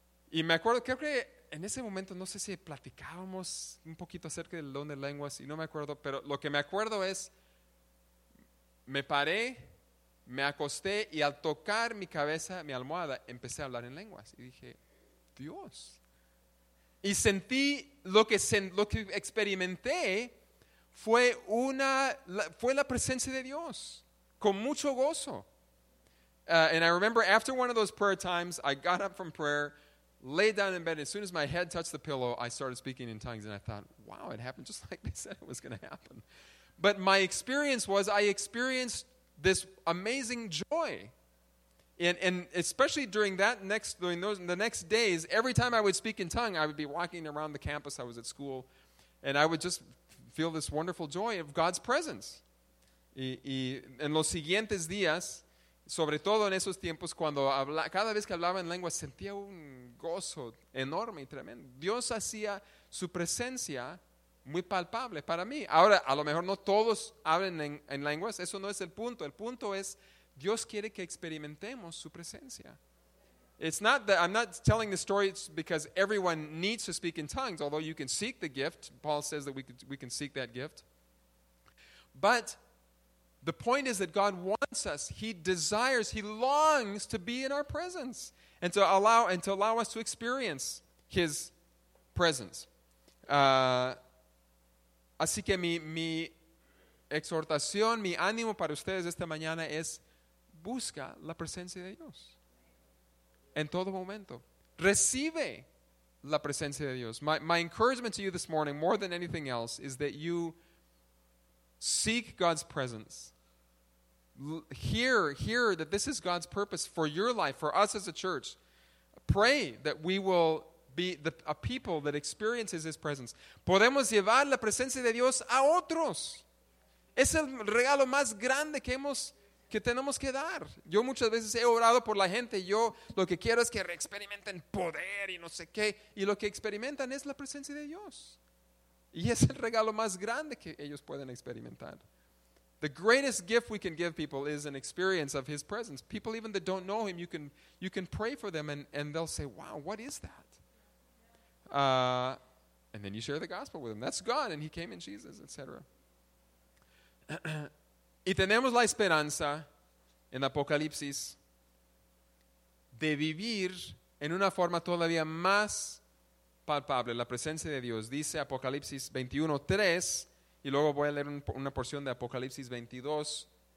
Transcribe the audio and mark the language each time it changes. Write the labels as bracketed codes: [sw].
[es] Y me acuerdo, creo que en ese momento no sé si platicábamos un poquito acerca del don de lenguas y no me acuerdo, pero lo que me acuerdo es me paré, me acosté y al tocar mi cabeza, mi almohada, empecé a hablar en lenguas y dije, Dios. Y sentí lo que experimenté. Fue la presencia de Dios, con mucho gozo. [en] And I remember after one of those prayer times, I got up from prayer, laid down in bed. As soon as my head touched the pillow, I started speaking in tongues. And I thought, wow, it happened just like they said it was going to happen. But my experience was I experienced this amazing joy. And especially during the next days, every time I would speak in tongue, I would be walking around the campus. I was at school. And I would just feel this wonderful joy of God's presence. [es] Y en los siguientes días, sobre todo en esos tiempos, cada vez que hablaba en lengua, sentía un gozo enorme y tremendo. Dios hacía su presencia muy palpable para mí. Ahora, a lo mejor no todos hablan en lenguas, eso no es el punto. El punto es, Dios quiere que experimentemos su presencia. [en] It's not that I'm not telling the story because everyone needs to speak in tongues, although you can seek the gift. Paul says that we can seek that gift. But the point is that God wants us, he desires, he longs to be in our presence and to allow us to experience his presence. [es] Así que mi exhortación, mi ánimo para ustedes esta mañana es busca la presencia de Dios. En todo momento. Recibe la presencia de Dios. [en] My encouragement to you this morning, more than anything else, is that you seek God's presence. Hear that this is God's purpose for your life, for us as a church. Pray that we will be a people that experiences his presence. [es] Podemos llevar la presencia de Dios a otros. Es el regalo más grande que tenemos que dar. Yo muchas veces he orado por la gente. Yo lo que quiero es que reexperimenten poder y no sé qué. Y lo que experimentan es la presencia de Dios. Y es el regalo más grande que ellos pueden experimentar. [en] The greatest gift we can give people is an experience of his presence. People even that don't know him, you can pray for them and they'll say, wow, what is that? And then you share the gospel with them. That's God and he came in Jesus, etc. [es] Y tenemos la esperanza en Apocalipsis de vivir en una forma todavía más palpable, la presencia de Dios. Dice Apocalipsis 21:3, y luego voy a leer una porción de Apocalipsis 22.